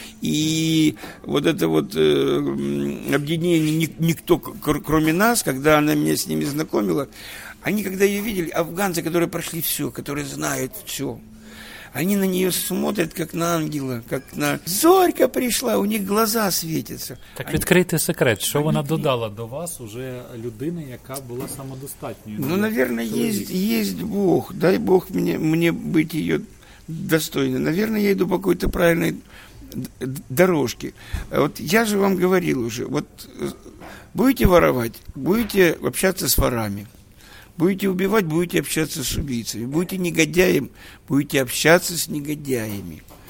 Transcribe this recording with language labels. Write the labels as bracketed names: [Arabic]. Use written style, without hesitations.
[Russian] И вот это вот объединение «Никто, кроме нас», когда она меня с ними знакомила, они, когда ее видели, афганцы, которые прошли все, которые знают все, Они на нее смотрят, как на ангела, как на зорька пришла, у них глаза светятся. [Ukrainian] Так відкрити секрет, що вона додала до вас уже людини, яка була самодостатньою? [Russian] Ну, наверное, есть Бог. Дай Бог мне быть ее достойной. Наверное, я иду по какой-то правильной дорожке. Вот я же вам говорил уже, вот будете воровать, будете общаться с ворами. Будете убивать, будете общаться с убийцами. Будете негодяем, будете общаться с негодяями.